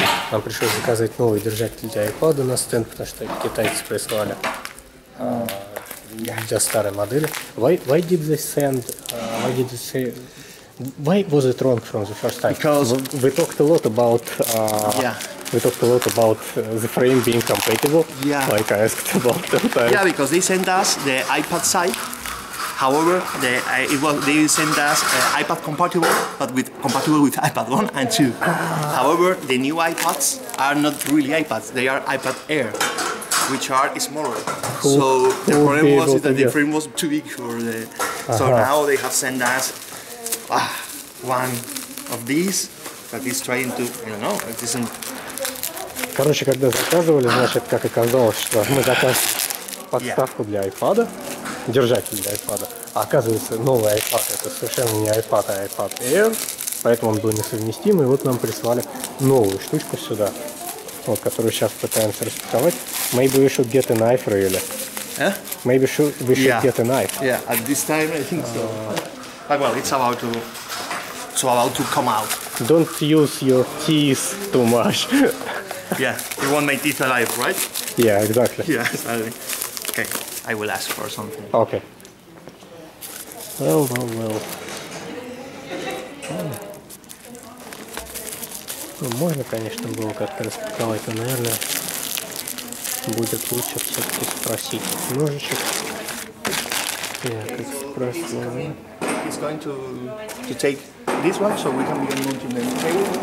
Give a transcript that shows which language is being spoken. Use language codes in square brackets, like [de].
[ru] Нам пришлось заказать новый держатель для iPad на стенд, потому что китайцы прислали для старой модели. [en] Why was it wrong from the first time? Because we talked a lot about the frame being compatible. Yeah. Like I asked about the time. Yeah, because they sent us the iPad side. However, they sent us iPad compatible, but with compatible with iPad 1 and 2. However, the new iPads are not really iPads; they are iPad Air, which are smaller. So the problem was that the frame was too big for the. So now they have sent us one of these that is trying to, you know, it isn't. [ru] Короче, когда заказывали, значит, как оказалось, что мы заказали подставку для iPad. Держатель для iPad. А оказывается, новый iPad это совершенно не iPad, а iPad Air. Поэтому он был несовместимый. И вот нам прислали новую штучку сюда. Вот, которую сейчас пытаемся распаковать. [en] Maybe we should get a knife, really. Maybe we should get a knife. Yeah, at this time I think so. But well, it's about to come out. Don't use your teeth too much. Yeah, you want my teeth alive, right? Yeah, exactly. Yeah, sorry. Okay. I will ask for something. Okay. Well. [ru] Ну, можно, конечно, было как-то распаковать, но, наверное, будет лучше все-таки спросить. Ножичек. Так, спросил. [en] He's going to take this one, so we can begin moving the table